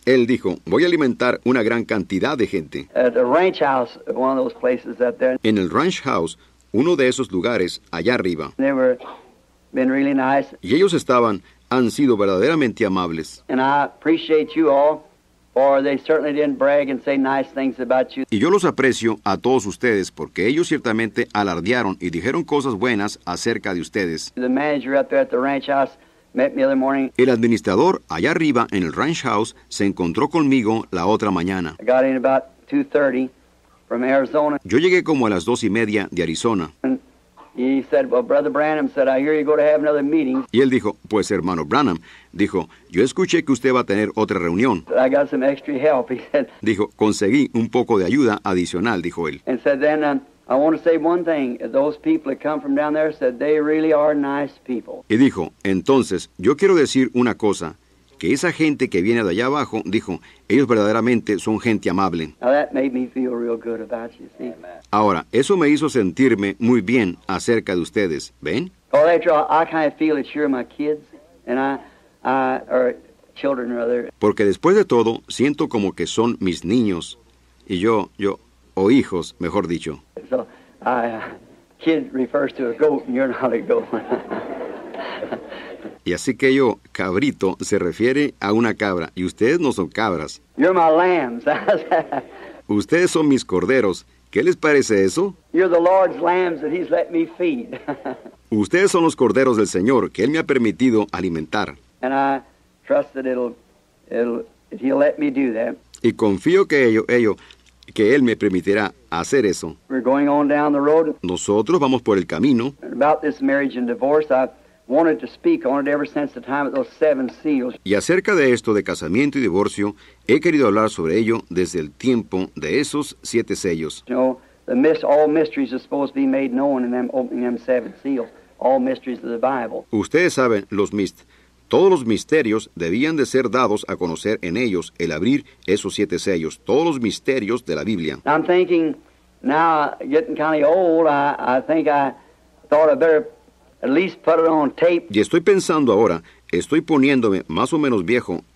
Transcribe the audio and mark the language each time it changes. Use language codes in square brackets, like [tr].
[es] Él dijo, voy a alimentar una gran cantidad de gente. [en] At the ranch house, one of those places up there. [es] En el ranch house, uno de esos lugares allá arriba. [en] They were been really nice. [es] Y ellos han sido verdaderamente amables. [en] And I appreciate you all For they certainly didn't brag and say nice things about you. [es] Y yo los aprecio a todos ustedes porque ellos ciertamente alardearon y dijeron cosas buenas acerca de ustedes. [en] The manager up there at the ranch house met me the other morning. [es] El administrador allá arriba en el ranch house se encontró conmigo la otra mañana. [en] I got in about 2:30 from Arizona. [es] Yo llegué como a las 2:30 de Arizona. [en] He said, well, Brother Branham said, I hear you go to have another meeting. [es] Y él dijo, pues hermano Branham, dijo, yo escuché que usted va a tener otra reunión. [en] I got some extra help, he said. [es] Dijo, conseguí un poco de ayuda adicional, dijo él. [en] And said, then I want to say one thing. Those people that come from down there said they really are nice people. [es] Y dijo, entonces, yo quiero decir una cosa, que esa gente que viene de allá abajo, dijo, ellos verdaderamente son gente amable. [en] Now that made me feel real good about you, see? [es] Ahora, eso me hizo sentirme muy bien acerca de ustedes, ¿ven? [en] Well, after all, I kind of feel that you're my kids, and I or children rather. [es] Porque después de todo, siento como que son mis niños, y yo, o hijos, mejor dicho. [en] So, kid refers to a goat, and you're not a goat. [es] Y así que yo, cabrito, se refiere a una cabra, y ustedes no son cabras. [en] You're my lambs. [es] Ustedes son mis corderos. ¿Qué les parece eso? [en] You're the Lord's lambs that he's let me feed. [es] Ustedes son los corderos del Señor que Él me ha permitido alimentar. [en] And I trust that he'll let me do that. [es] Y confío que que Él me permitirá hacer eso. [en] We're going on down the road. [es] Nosotros vamos por el camino. [en] About this marriage and divorce, wanted to speak on it ever since the time of those seven seals. [es] Y acerca de esto de casamiento y divorcio, he querido hablar sobre ello desde el tiempo de esos siete sellos. [en] You know, all mysteries are supposed to be made known in them opening them seven seals, all mysteries of the Bible. [es] Ustedes saben, todos los misterios debían de ser dados a conocer en ellos el abrir esos siete sellos, todos los misterios de la Biblia. [en] I'm thinking, now getting kind of old, I think I thought I better at least put it on tape. [es] Y estoy pensando ahora, estoy poniéndome más o menos viejo.